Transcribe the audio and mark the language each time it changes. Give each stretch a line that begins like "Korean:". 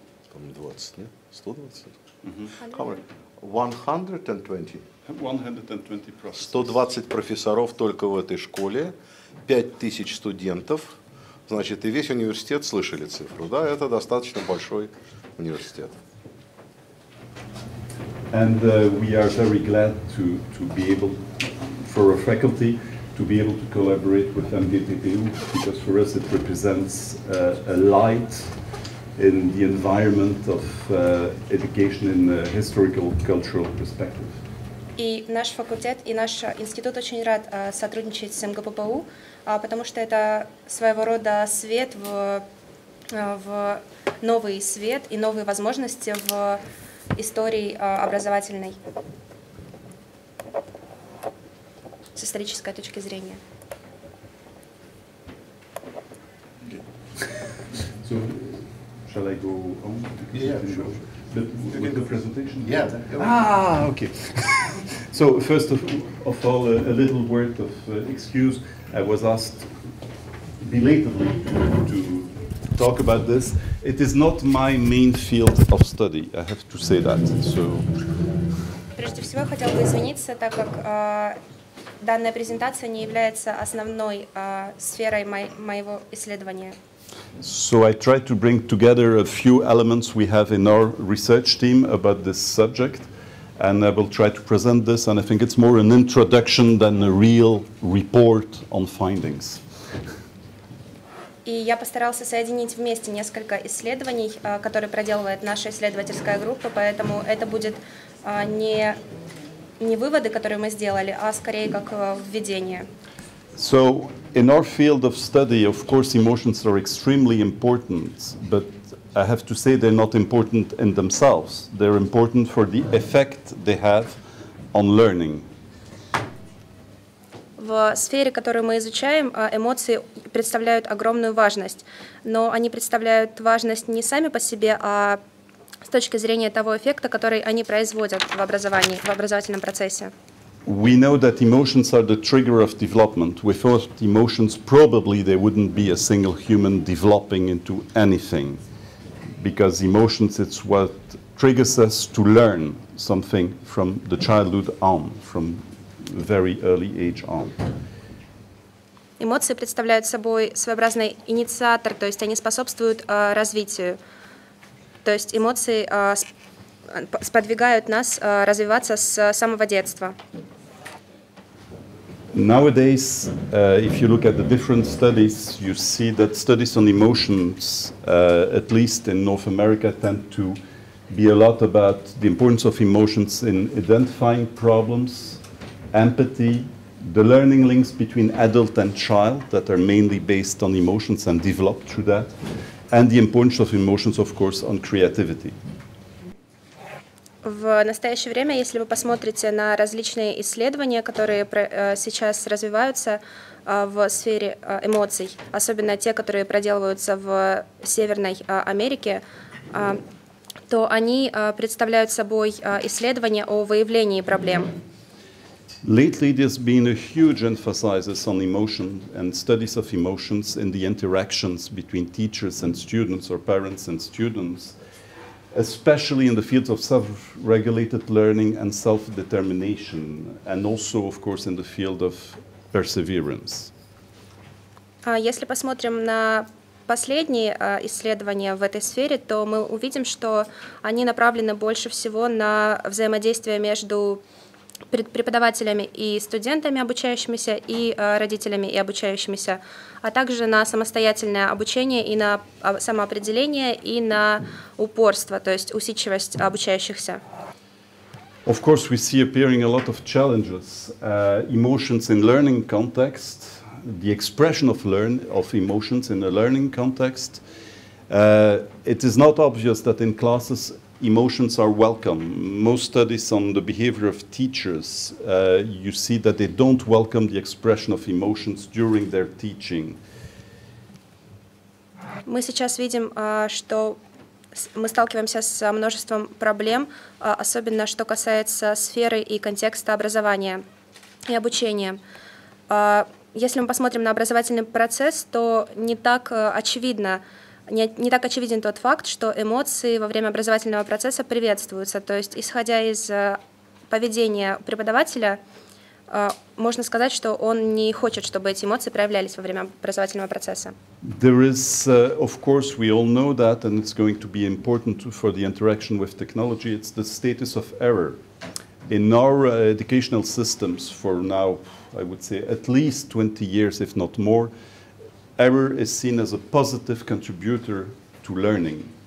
Russian: 120, нет? 120? 120. 120 профессоров только в этой школе, 5000 студентов. Значит, и весь университет слышали цифру, да? Это достаточно большой университет.
English: And we are very glad to be able, for our faculty, to be able to collaborate with MDPPU, because for us it represents a light in the environment of education in a historical cultural perspective.
Russian: И наш факультет, и наш институт очень рад сотрудничать с МГППУ, потому что это своего рода свет в новый свет и новые возможности в истории образовательной, с исторической точки зрения.
English: So, shall I go on? Yeah, sure. With the presentation? Yeah. Okay. So, first of all, a little word of excuse. I was asked belatedly to talk about this. It is not my main field of study. I have to say that. So.
Russian: Прежде всего, хотел бы извиниться, так как данная презентация не является основной сферой моего исследования.
English: So I try to bring together a few elements we have in our research team about this subject, and I will try to present this. And I think it's more an introduction than a real report on findings.
Russian: И я постарался соединить вместе несколько исследований, которые проделывает наша исследовательская группа, поэтому это будет не выводы, которые мы сделали, а скорее как введение.
English: So in our field of study, of course, emotions are extremely important, but I have to say they're not important in themselves. They're important for the effect they have on learning.
Russian: В сфере, которую мы изучаем, эмоции представляют огромную важность, но они представляют важность не сами по себе, а с точки зрения того эффекта, который они производят в образовании, в образовательном процессе.
English: We know that emotions are the trigger of development. Without emotions, probably there wouldn't be a single human developing into anything, because emotions it's what triggers us to learn something from the childhood on, from very early age on.
Russian: Эмоции представляют собой своеобразный инициатор, то есть они способствуют развитию. То есть эмоции сподвигают нас развиваться с самого детства.
English: Nowadays, if you look at the different studies, you see that studies on emotions, at least in North America, tend to be a lot about the importance of emotions in identifying problems, empathy, the learning links between adult and child that are mainly based on emotions and developed through that, and the importance of emotions, of course, on creativity.
Russian: В настоящее время, если вы посмотрите на различные исследования, которые сейчас развиваются в сфере эмоций, особенно те, которые проделываются в Северной Америке, то они представляют собой исследования о выявлении проблем.
English: Lately there's been a huge emphasis on emotions and studies of emotions in the interactions between teachers and students or parents and students, especially in the fields of self-regulated learning and self-determination, and also, of course, in the field of perseverance.
Russian: Если посмотрим на последние исследования в этой сфере, то мы увидим, что они направлены больше всего на взаимодействие между преподавателями и студентами, обучающимися, и родителями и обучающимися, а также на самостоятельное обучение и на самоопределение и на упорство, то есть усидчивость обучающихся.
English: Of course, we see appearing a lot of challenges. Emotions in learning context, the expression of emotions in a learning context. It is not obvious that in classes emotions are welcome. Most studies on the behavior of teachers, you see that they don't welcome the expression of emotions during their teaching.
Russian: Мы сейчас видим, что мы сталкиваемся с множеством проблем, особенно что касается сферы и контекста образования и обучения. Если мы посмотрим на образовательный процесс, то не так очевидно. Не так очевиден тот факт, что эмоции во время образовательного процесса приветствуются. То есть, исходя из поведения преподавателя, можно сказать, что он не хочет, чтобы эти эмоции проявлялись во время образовательного процесса.
English: There is, of course, we all know that, and it's going to be important for the interaction with technology. It's the status of error. In our educational systems for now, I would say, at least 20 years, if not more, error is seen as a positive contributor to learning.